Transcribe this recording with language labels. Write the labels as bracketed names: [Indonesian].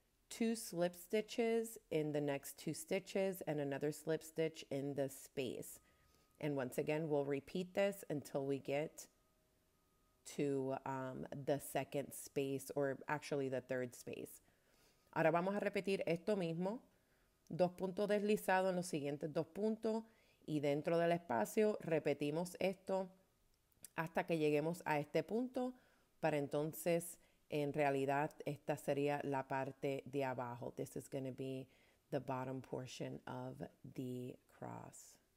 [English] Two slip stitches in the next two stitches and another slip stitch in the space. And once again, we'll repeat this until we get to the second space, or actually the third space. [Spanish] Ahora vamos a repetir esto mismo. Dos puntos deslizados en los siguientes dos puntos y dentro del espacio repetimos esto hasta que lleguemos a este punto. Para entonces, en realidad, esta sería la parte de abajo. [English] This is going to be the bottom portion of the cross.